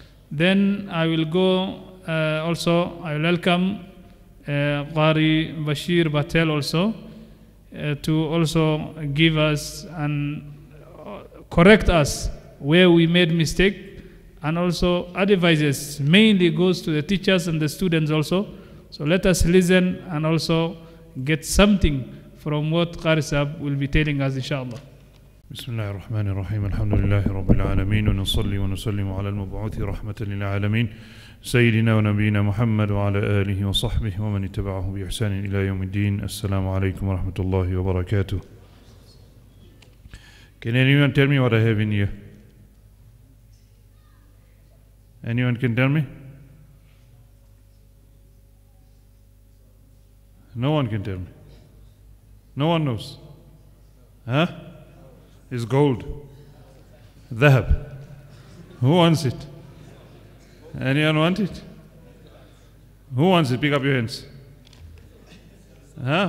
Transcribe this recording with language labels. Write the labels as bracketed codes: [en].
[en] Then I will go also, I welcome Qari Bashir Patel also to also give us and correct us where we made mistake. And also advices mainly goes to the teachers and the students also, So let us listen and also get something from what Qari Sahib will be telling us, inshallah. [ar] بسم الله الرحمن الرحيم. الحمد لله رب العالمين، ونصلي ونسلم على المبعوث رحمة للعالمين سيدنا ونبينا محمد وعلى آله وصحبه ومن اتبعه بإحسان إلى يوم الدين. السلام عليكم ورحمة الله وبركاته. [en] Can anyone tell me what I have in here? Anyone can tell me? No one can tell me. No one knows. Huh? It's gold. Dhahab. Who wants it? Anyone want it? Who wants it? Pick up your hands. Huh?